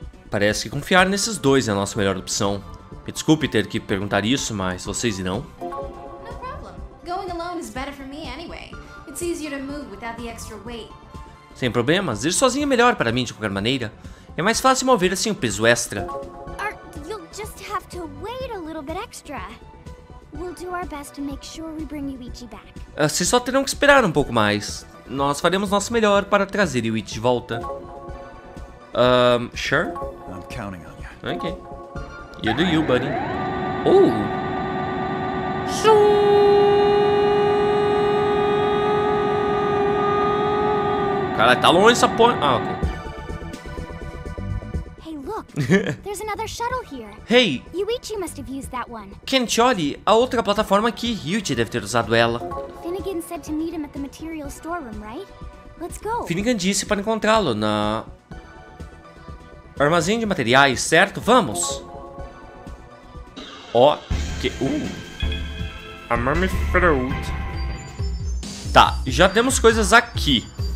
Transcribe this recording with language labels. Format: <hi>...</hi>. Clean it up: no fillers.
<pt>Parece que confiar nesses dois é a nossa melhor opção. Me desculpe ter que perguntar isso, mas vocês irão? Não tem problema.</pt> <en>Going alone is better for me anyway. It's easier to move without the extra weight.</en> <pt>Sem problemas, ir sozinho é melhor para mim de qualquer maneira. É mais fácil mover assim o peso extra.</pt> <en>You'll just have to wait a little bit extra. We'll do our best to make sure we bring Yuichi back.</en> <pt>Vocês só terão que esperar um pouco mais. Nós faremos nosso melhor para trazer Yuichi de volta.</pt> <en>Sure. I'm counting on you. Okay. You do you, buddy. Oh. Shoo.</en> <pt>Cara, tá longe essa porra. Ah, ok.</pt> <en>Hey, look. There's another shuttle here. Hey. Yuichi must have used that one.</en> <pt>Kenchori, a outra plataforma aqui. Yuichi deve ter usado ela.</pt> <en>Finnegan said to meet him at the material storeroom, right? Let's go.</en> <pt>Finnegan disse para encontrá-lo na armazém de materiais, certo? Vamos. Ó, que</pt> <en>A mummy fruit.</en> <pt>Tá, já temos coisas aqui.</pt>